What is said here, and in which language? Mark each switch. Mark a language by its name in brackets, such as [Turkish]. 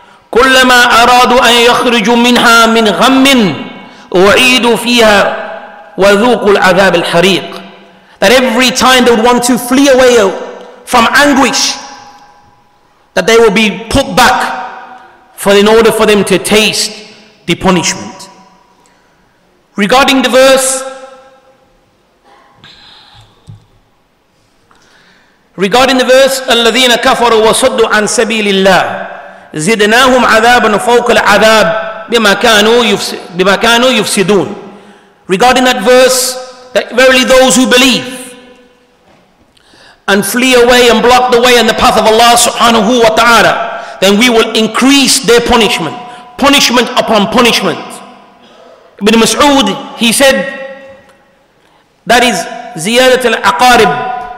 [Arabic] كُلَّمَا أَرَادُوا أَن يَخْرِجُوا مِنْهَا مِنْ غَمٍّ وَعِيدُوا فِيهَا وَذُوقُوا الْعَذَابِ الْحَرِيقِ. [English] That every time they would want to flee away from anguish, that they will be put back in order for them to taste the punishment. Regarding the verse, [Arabic] الذين كفروا وصدوا عن سبيل الله زدناهم عذابا فوق العذاب بما كانوا يفسدون. [English] Regarding that verse, that verily those who believe and flee away and block the way and the path of Allah subhanahu wa ta'ala, then we will increase their punishment, punishment upon punishment. Ibn Mas'ud, he said, that is ziyadat al-aqarib.